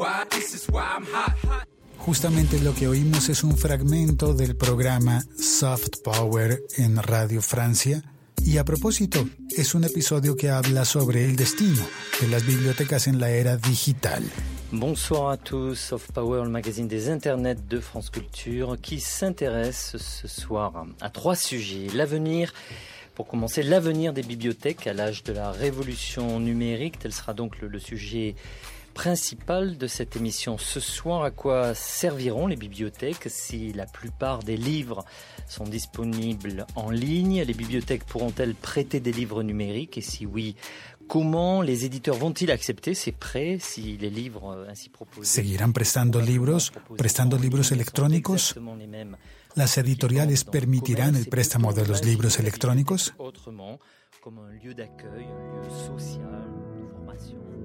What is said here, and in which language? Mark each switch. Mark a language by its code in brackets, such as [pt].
[en] This is why I'm hot. [es] Justamente lo que oímos es un fragmento del programa Soft Power en Radio Francia. Y a propósito, es un episodio que habla sobre el destino de las bibliotecas en la era digital. [fr] Bonsoir à tous, Soft Power, le magazine des internets de France Culture, qui s'intéresse ce soir à trois sujets. L'avenir. Pour commencer, l'avenir des bibliothèques à l'âge de la révolution numérique. Tel sera donc le sujet principal de cette émission ce soir. À quoi serviront les bibliothèques si la plupart des livres sont disponibles en ligne? Les bibliothèques pourront-elles prêter des livres numériques? Et si oui, comment les éditeurs vont-ils accepter ces prêts si les livres ainsi proposés... [es] Seguirán prestando libros electrónicos? Las editoriales permitirán el préstamo de los libros electrónicos? [fr] Autrement, comme un lieu d'accueil, un lieu social, de formation.